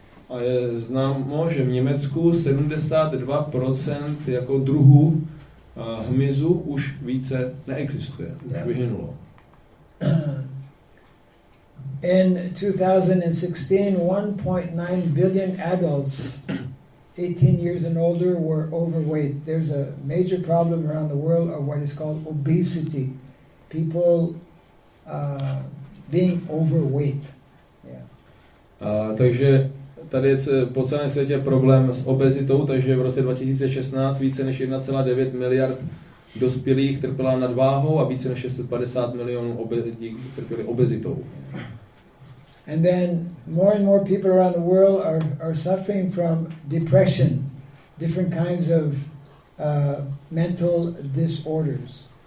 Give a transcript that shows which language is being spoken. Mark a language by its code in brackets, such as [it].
[cs] A je známo, že v Německu 72% jako druhů hmyzu už více neexistuje, už vyhynulo. [en] In 2016, 1.9 billion adults 18 years and older were overweight. There's a major problem around the world of what is called obesity. People being overweight. [cs] Takže tady je po celém světě problém s obezitou, takže v roce 2016 více než 1,9 miliard dospělých trpěla nadváhou a více než 650 milionů lidí trpěli obezitou. [en] And then more and more people around the world are suffering from depression, different kinds of mental disorders.